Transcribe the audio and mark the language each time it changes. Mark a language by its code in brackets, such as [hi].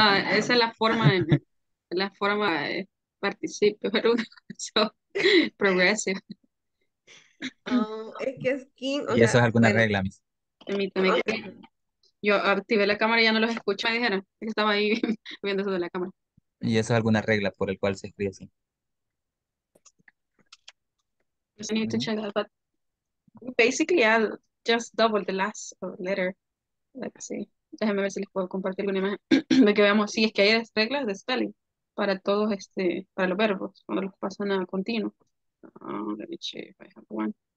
[es] No, esa es la forma de participio, pero so, progressive. Es que skin. Y eso es alguna regla, Miss. Permítame. Yo activé la cámara y ya no los escucho, me dijeron que estaba ahí viendo eso de la cámara. Y eso es alguna regla por el cual se escribe así. [en] I need to check that, but basically I'll just double the last letter. Let's see. [es] Déjame ver si les puedo compartir alguna imagen. De que veamos, sí, es que hay reglas de spelling para todos, para los verbos, cuando los pasan a continuo. [en] Let me check if I have one.